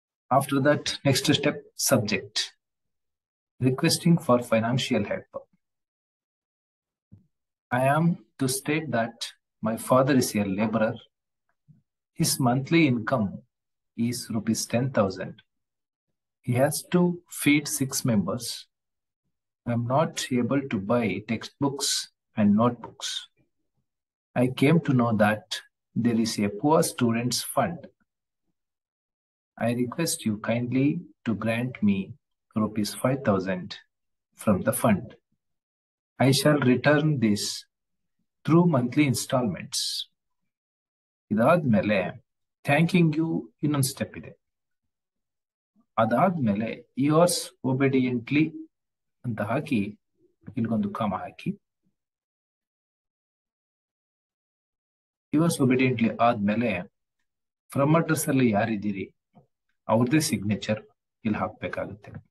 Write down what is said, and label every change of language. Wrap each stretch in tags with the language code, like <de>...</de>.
<en>After that next step, subject, requesting for financial help. I am to state that my father is a labourer, his monthly income is ₹10,000, he has to feed 6 members. I am not able to buy textbooks and notebooks. I came to know that there is a poor students fund. I request you kindly to grant me ₹5,000 from the fund. I shall return this through monthly installments.</en> <kn>ಇದಾದ್ಮೇಲೆ</kn> <en>thanking you</en> <kn>ಇನ್ನೊಂದು step ಇದೆ. ಅದಾದ್ಮೇಲೆ</kn> <en>yours obediently</en> <kn>ಅಂತ ಹಾಕಿ ಇಲ್ಗೊಂದು ಕಾಮ ಹಾಕಿ. Yours ಒಬಿಡಿಯಂಟ್ಲಿ ಆದ್ಮೇಲೆ from address ಅಲ್ಲಿ ಯಾರಿದ್ದೀರಿ ಅವ್ರದೇ signature ಇಲ್ಲಿ ಹಾಕ್ಬೇಕಾಗುತ್ತೆ.</kn>